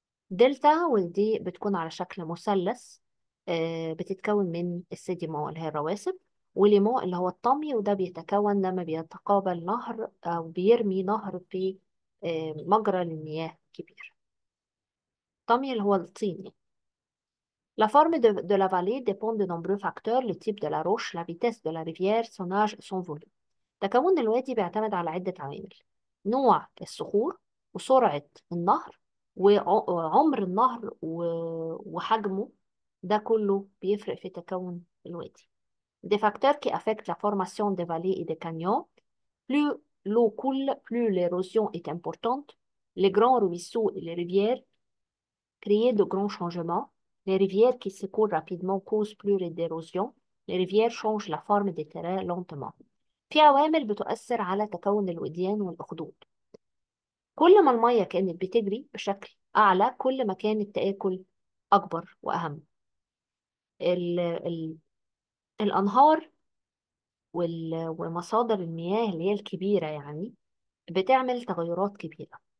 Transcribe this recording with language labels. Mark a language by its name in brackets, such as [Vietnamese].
[Arabic] دلتا، ودي بتكون على شكل مثلث بتتكون من السيجما اللي هي الرواسب، وليمو اللي هو الطمي، وده بيتكون لما بيتقابل نهر أو بيرمي نهر في مجرى المياه الكبير. طمي اللي هو الطين يعني. [French] La forme de la vallée dépend de nombreux facteurs, le type de la roche, la vitesse de la rivière, son âge, son volume. [Arabic] تكون الوادي بيعتمد على عدة عوامل: نوع الصخور وسرعة النهر وعمر النهر وحجمه، ده كله بيفرق في تكون الوادي. [French] Des facteurs qui affectent la formation des vallées et des canyons. Plus l'eau coule, plus l'érosion est importante. Les grands ruisseaux et les rivières créent de grands changements. Les rivières qui s'écoulent rapidement causent plus d'érosion. Les rivières changent la forme des terrains lentement. [Arabic] في عوامل بتؤثر على تكون الوديان والأخدود. كل ما المية كانت بتجري بشكل أعلى، كل ما كان التآكل أكبر وأهم. الأنهار ومصادر المياه اللي هي الكبيرة يعني بتعمل تغيرات كبيرة.